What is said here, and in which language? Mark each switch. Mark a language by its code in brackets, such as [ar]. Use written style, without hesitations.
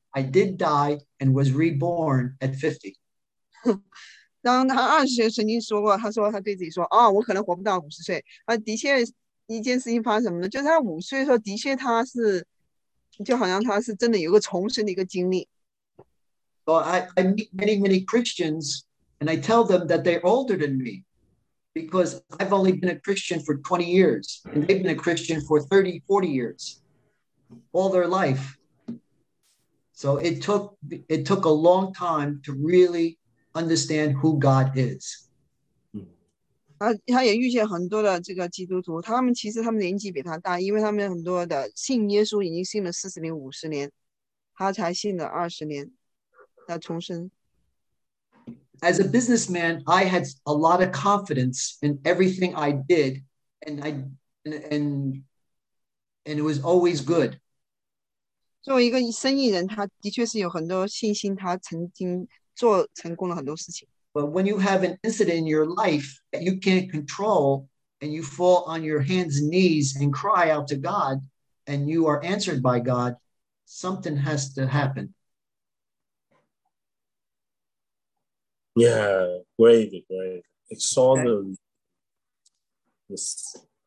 [en] I did die and was reborn at 50. [zh] 当他二十岁曾经说过，他说他对自己说，哦，我可能活不到五十岁。啊，的确，一件事情发生什么呢？就是他五岁的时候，的确他是，就好像他是真的有个重生的一个经历。 [en] Well, I meet many, many Christians, and I tell them that they're older than me, because I've only been a Christian for 20 years, and they've been a Christian for 30, 40 years, all their life. So it took a long time to really understand who God is. [zh] 他也遇见很多的这个基督徒，他们其实他们年纪比他大，因为他们很多的信耶稣已经信了四十年、五十年，他才信了二十年。 [en] As a businessman, I had a lot of confidence in everything I did, and it was always good. [zh] 作为一个生意人，他的确是有很多信心，他曾经做成功了很多事情。 [en] But when you have an incident in your life that you can't control, and you fall on your hands and knees and cry out to God, and you are answered by God, something has to happen. Yeah, great, great. Exorbitant. Yes.